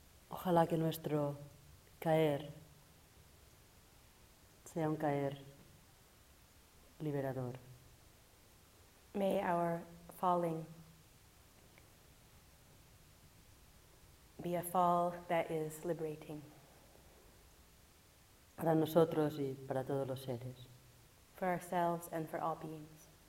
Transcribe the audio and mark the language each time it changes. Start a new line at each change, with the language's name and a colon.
Spanish: ojalá que nuestro caer sea un caer liberador.
English: May our falling be a fall that is liberating.
Spanish: Para nosotros y para todos los seres.
English: For ourselves and for all beings.